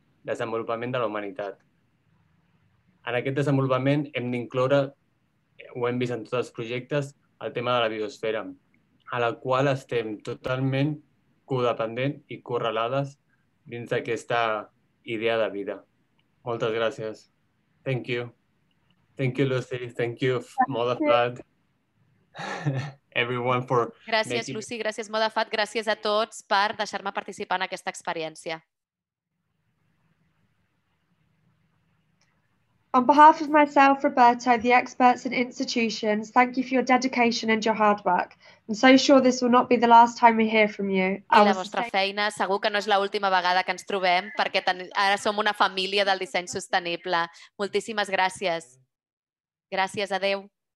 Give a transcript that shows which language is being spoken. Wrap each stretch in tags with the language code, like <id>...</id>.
<ca>desenvolupament de la humanitat. En aquest desenvolupament hem d'incloure, ho hem vist en tots els projectes, el tema de la biosfera, a la qual estem totalment codependent i correlades dins d'aquesta idea de vida. Moltes gràcies.</ca> <en>Thank you. Thank you, Lucy. Thank you, Modafat. Everyone for</en> <ca>gràcies,</ca> <en>making...</en> <ca>Lucy. Gràcies, Modafat. Gràcies a tots per deixar-me participar en aquesta experiència.</ca> <en>On behalf of myself, Roberto, the experts and institutions, thank you for your dedication and your hard work. I'm so sure this will not be the last time we hear from you.</en> <ca>I la vostra feina, segur que no és l'última vegada que ens trobem, perquè ara som una família del disseny sostenible. Moltíssimes gràcies. Gràcies, adeu.</ca>